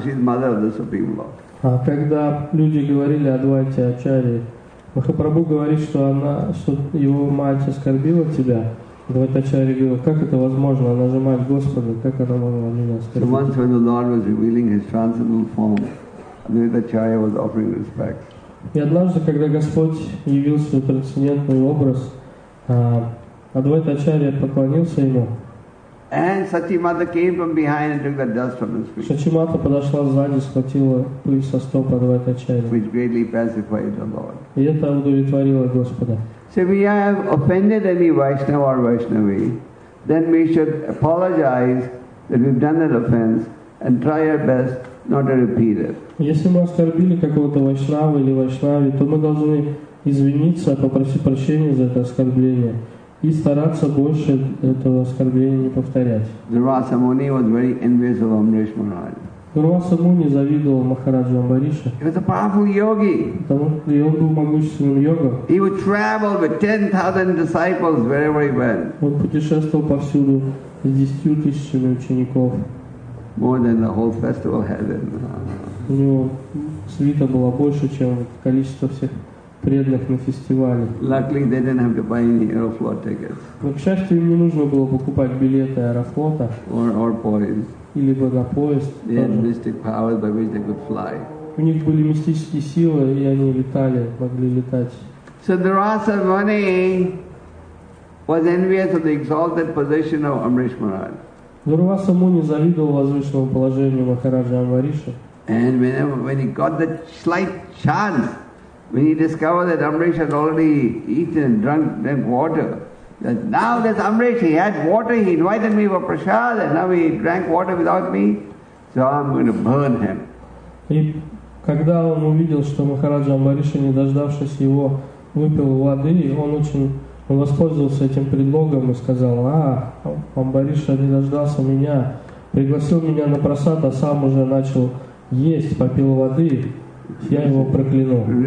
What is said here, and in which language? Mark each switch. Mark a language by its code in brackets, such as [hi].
[en] She's mother of the Supreme Lord. [ru] А когда люди говорили о Адвайте Ачарье, Махапрабху говорит, что она, что его мать оскорбила тебя. Адвайта Ачарья говорил: как это возможно? Она же мать Господа, как она могла меня оскорбить? [en] So once when the Lord was revealing his transcendental form, Advaita Acharya was offering respect. [ru] И однажды, когда Господь явил свой трансцендентный образ, Адвайта Ачарья поклонился ему. [en] And Сачимата came from behind and took the dust from his feet. [ru] Сачимата подошла сзади, схватила пыль со стоп Адвайта Ачарьи. [en] Which greatly pacified the Lord. [ru] И это удовлетворило Господа. [en] So we have offended any Vaishnava or Vaishnavi, then we should apologize that we've done that offense and try our best not to repeat it. [ru] Если мы оскорбили какого-то Вайшнава или Вайшнави, то мы должны извиниться, попросить прощения за это оскорбление и стараться больше этого оскорбления не повторять. [en] Дурваса Муни was very envious of Amrish Maharaj. [ru] Дурваса Муни завидовал Махараджу Амбарише. [en] He was a powerful yogi. [ru] И он был могущественным йогом. [en] He would travel with 10,000 disciples wherever he went. [ru] Он путешествовал повсюду с 10,000 учеников. [en] More than the whole festival had in. [ru] У него свита была больше, чем количество всех преданных на фестивале. [en] Luckily, they didn't have to buy any Aeroflot tickets. [ru] Но, к счастью, им не нужно было покупать билеты Аэрофлота. [en] Or poems. [ru] Или на поезд. [en] They had mystic powers by which they could fly. [ru] У них были мистические силы, и они летали, могли летать. [en] So Dharasa Muni was envious of the exalted position of Amrish Maharaj. [ru] Дурваса Муни завидовал возвышенному положению Махараджа Амбариша. [en] And when he got the slight chance, when he discovered that Amrish had already eaten and drank water, that now this Amrish, he had water, he invited me for prasad, and now he drank water without me, so I'm going to burn him. [ru] И когда он увидел, что Махараджа Амбариша, не дождавшись его, выпил воды, он очень... Он воспользовался этим предлогом и сказал: «А, Амбариша не дождался меня, пригласил меня на прасад, а сам уже начал есть, попил воды, я его прокляну».